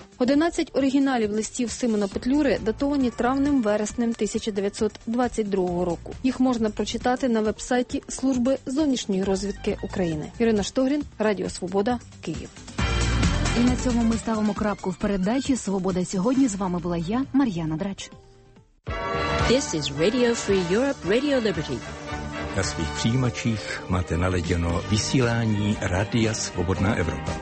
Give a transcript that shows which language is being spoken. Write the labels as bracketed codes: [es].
[uk] 11 оригіналів листів Симона Петлюри датовані травнем-вереснем 1922 року. Їх можна прочитати на вебсайті Служби зовнішньої розвідки України. Ірина Штогрін, Радіо Свобода, Київ. І на цьому ми ставимо крапку в передачі «Свобода сьогодні». З вами була я, Мар'яна Драч. [en] This is Radio Free Europe, Radio Liberty. На своїх приймачах мати наледяно висілання Радіо Свободна Європа.